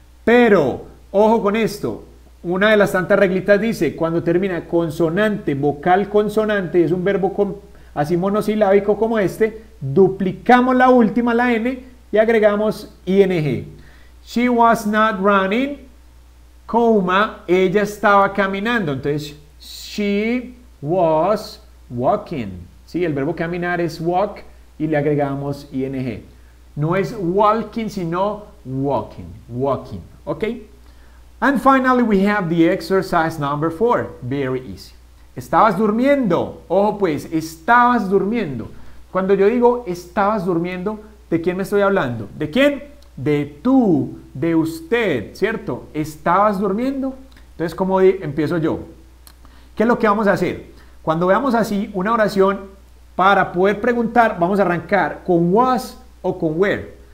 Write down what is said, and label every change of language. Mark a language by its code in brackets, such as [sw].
[es] Pero, ojo con esto, una de las tantas reglitas dice, cuando termina consonante, vocal consonante, es un verbo así monosilábico como este, duplicamos la última, la N, y agregamos ing. [en] She was not running, [es] coma, ella estaba caminando. [en] Entonces, she was walking. [es] Sí, el verbo caminar es walk y le agregamos ing. No es walking, sino walking, walking, ¿ok? [en] And finally, we have the exercise number 4, very easy. [es] Estabas durmiendo, ojo pues, estabas durmiendo. Cuando yo digo estabas durmiendo, ¿de quién me estoy hablando? ¿De quién? De tú, de usted, ¿cierto? ¿Estabas durmiendo? Entonces, ¿cómo empiezo yo? ¿Qué es lo que vamos a hacer? Cuando veamos así una oración, para poder preguntar, vamos a arrancar con was o con were.